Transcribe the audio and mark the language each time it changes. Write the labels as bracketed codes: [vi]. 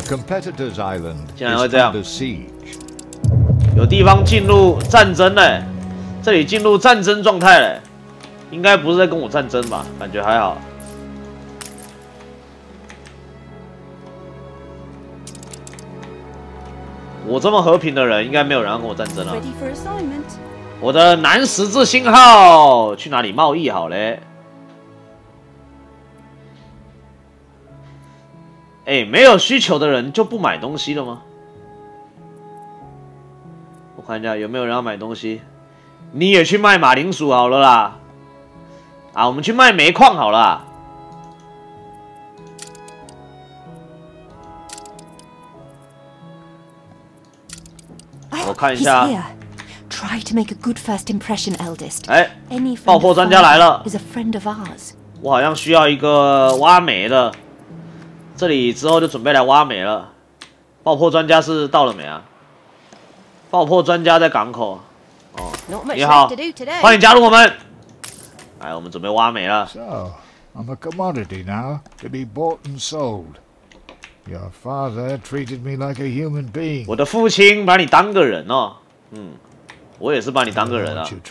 [en] competitor's island is under siege. [zh] 有地方进入战争了，这里进入战争状态了。应该不是在跟我战争吧？感觉还好。我这么和平的人，应该没有人要跟我战争了。我的南十字星号去哪里贸易好嘞？哎，没有需求的人就不买东西了吗？我看一下有没有人要买东西。你也去卖马铃薯好了啦。啊，我们去卖煤矿好了。我看一下。 [en] Try to make a good first impression, eldest. [zh] 哎，爆破专家来了。我好像需要一个挖煤的。这里之后就准备来挖煤了。爆破专家是到了没啊？爆破专家在港口。哦，你好，欢迎加入我们。哎，我们准备挖煤了。 [en] So, I'm a commodity now to be bought and sold. Your father treated me like a human being. [zh] 我的父亲把你当个人哦。嗯。我也是把你当个人啊！